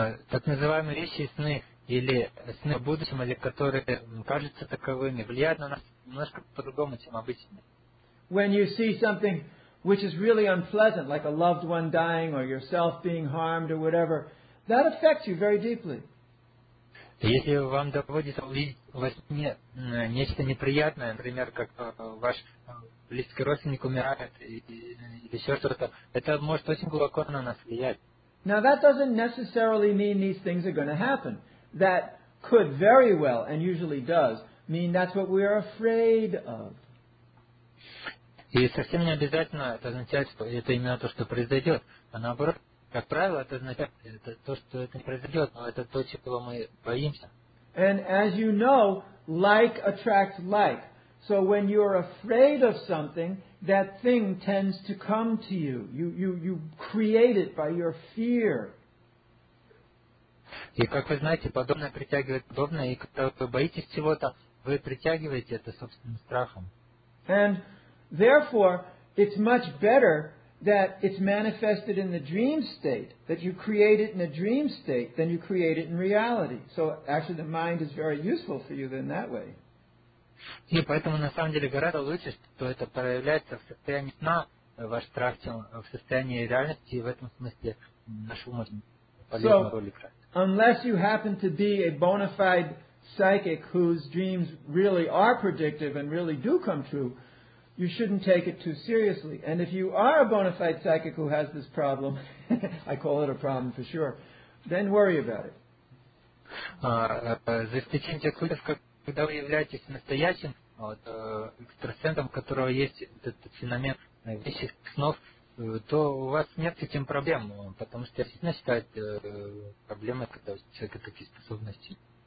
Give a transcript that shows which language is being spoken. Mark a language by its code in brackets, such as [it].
[ru] Так называемые вещи сны или сны о будущем или которые кажутся таковыми влияют на нас немножко по-другому, чем обычно. [en] When you see something which is really unpleasant, like a loved one dying or yourself being harmed or whatever, that affects you very deeply. [ru] Если вам доводится увидеть во сне нечто неприятное, например, как ваш близкий родственник умирает или еще что-то, это может очень глубоко на нас влиять. [en] Now that doesn't necessarily mean these things are going to happen. That could very well, and usually does, mean that's what we are afraid of. [ru] И совсем не обязательно это означает, что это именно то, что произойдет, а наоборот. Как правило, это означает то, что это не произойдет, но это то, чего мы боимся. [en] And as you know, like attracts like. So when you're afraid of something, that thing tends to come to you. You create it by your fear. [ru] И как вы знаете, подобное притягивает подобное, и когда вы боитесь чего-то, вы притягиваете это собственным страхом. [en] And therefore, it's much better that it's manifested in the dream state, that you create it in a dream state, then you create it in reality. So actually the mind is very useful for you then that way. [ru] И поэтому на самом деле гораздо лучше, что это проявляется в состоянии сна, ваш страх, чем в состоянии реальности, и в этом смысле наш ум может полезно более играть. [en] So, unless you happen to be a bona fide psychic whose dreams really are predictive and really do come true, you shouldn't take it too seriously. And if you are a bona fide psychic who has this problem, I call it a problem for sure, then worry about it. [ru] За исключением тех случаев, когда вы являетесь настоящим экстрасенсом, у которого есть этот феномен вещи снов, то у вас нет с этим проблем, потому что я действительно считаю проблемой, когда у человека такие способности.